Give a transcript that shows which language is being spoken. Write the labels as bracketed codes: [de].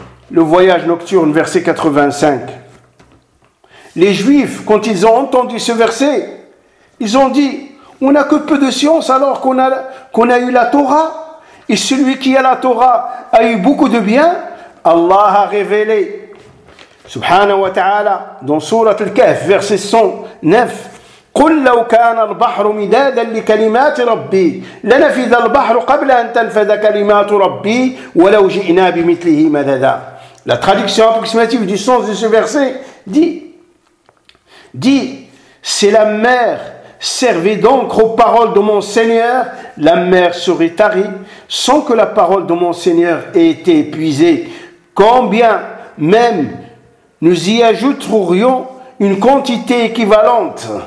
[fr] Le voyage nocturne, verset 85. Les Juifs, quand ils ont entendu ce verset, ils ont dit: on n'a que peu de science alors qu'on a eu la Torah. Et celui qui a la Torah a eu beaucoup de bien. Allah a révélé, subhanahu wa ta'ala, dans Surat Al-Kahf, verset 109, [ar] قل لو كان البحر مدادا لكلمات ربي لنفذ البحر قبل أن تنفذ كلمات ربي ولو جئنا بمثله مددا. [fr] La traduction approximative du sens de ce verset dit si la mer servait donc aux paroles de mon Seigneur, la mer serait tarie sans que la parole de mon Seigneur ait été épuisée. Combien même nous y ajouterions une quantité équivalente.